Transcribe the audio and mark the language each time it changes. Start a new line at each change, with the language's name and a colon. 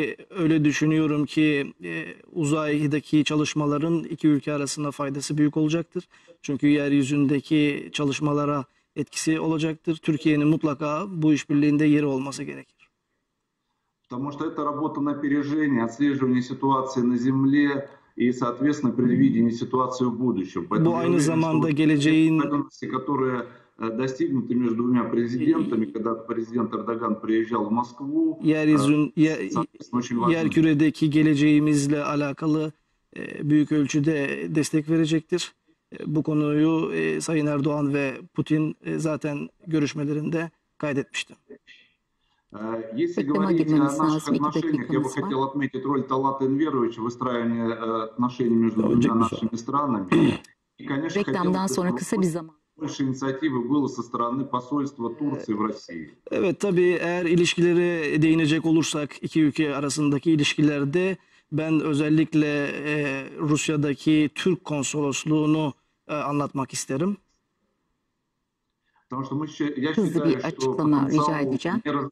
Turkish: öyle düşünüyorum ki uzaydaki çalışmaların iki ülke arasında faydası büyük olacaktır. Çünkü yeryüzündeki çalışmalara etkisi olacaktır. Türkiye'nin mutlaka bu işbirliğinde yeri olması gerekir.
Russian: Потому что это работа на опережение, отслеживание ситуации на Земле и, соответственно, предвидение ситуации в будущем. Поэтому
Turkish: Bu aynı zamanda geleceğin...
Russian: ...которые достигнуты между двумя президентами, когда президент Эрдоган приезжал в Москву...
Turkish: Yer küredeki geleceğimizle alakalı büyük ölçüde destek verecektir. Bu konuyu Sayın Erdoğan ve Putin zaten görüşmelerinde kaydetmiştim.
Russian: Если говорить о наших отношениях, я бы хотел отметить роль Талата Энверовича в выстраивании отношений между двумя нашими странами. И, конечно, хотел бы, чтобы больше инициативы было со стороны посольства Турции в России.
Turkish: Evet, tabii eğer ilişkileri değinecek olursak, iki ülke arasındaki ilişkilerde ben özellikle Rusya'daki Türk konsolosluğunu anlatmak isterim. Hızlı bir açıklama rica edeceğim.